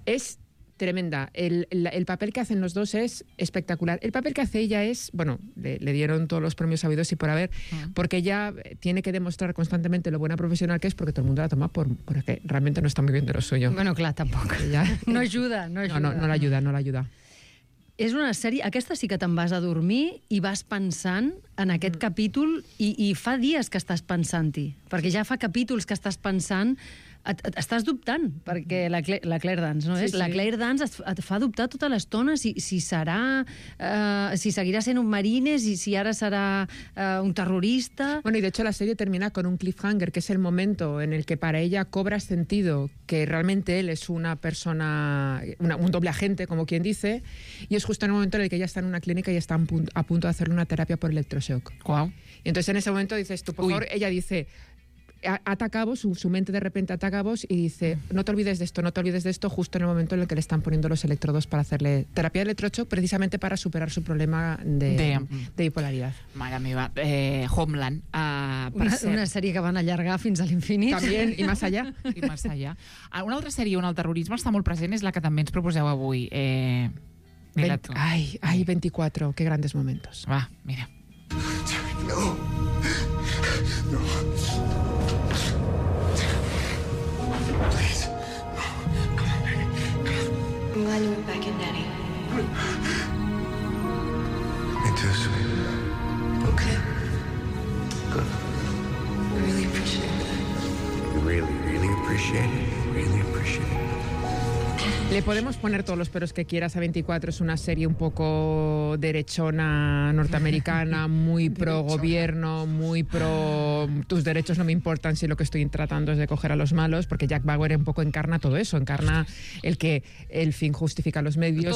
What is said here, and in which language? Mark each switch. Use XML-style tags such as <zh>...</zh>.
<es>Es tremenda. El papel que hacen los dos es espectacular. El papel que hace ella es, bueno, le dieron todos los premios habidos y por haber, porque ella tiene que demostrar constantemente lo buena profesional que es, porque todo el mundo la toma porque realmente no está muy bien de lo suyo. Bueno, claro, tampoco. Ella, no ayuda. No la ayuda.</es> <ca>És una sèrie... Aquesta sí que te'n vas a dormir i vas pensant en aquest capítol, i fa dies que estàs pensant-hi, perquè ja fa capítols que estàs pensant... Estàs dubtant, perquè la Claire Danes, no és? Sí, sí. La Claire Danes et fa dubtar tota l'estona si seguirà sent un marine, si ara serà un terrorista...</ca> <es>Bueno, y de hecho la serie termina con un cliffhanger, que es el momento en el que para ella cobra sentido que realmente él es una persona, un doble agente, como quien dice, y es justo en el momento en el que ella está en una clínica y está a punto de hacerle una terapia por electroshock. Wow. Y entonces en ese momento dices tú, por favor, ella dice... Ataca a vos, su mente de repente ataca a vos y dice, no te olvides de esto, justo en el momento en el que le están poniendo los electrodos para hacerle terapia de electroshock, precisamente para superar su problema de bipolaridad.</es> <ca>Mare meva, Homeland. Una sèrie que van allargar fins a l'infinit.</ca> <es>También,</es> <ca>i més allà. Una altra sèrie on el terrorisme està molt present és la que també ens proposeu avui.</ca> <es>Ai, 24, que grandes momentos.</es> <ca>Va, mira. No.</ca> <en>I'm glad you went back in, Daddy. Me too, sweetie. Okay. Good. I really appreciate it. Really, really appreciate it. Really appreciate it.</en> <es>Le podemos poner todos los peros que quieras a 24. Es una serie un poco derechona norteamericana, muy pro gobierno, muy pro tus derechos no me importan si lo que estoy tratando es de coger a los malos, porque Jack Bauer un poco encarna todo eso, encarna el que el fin justifica los medios,</es>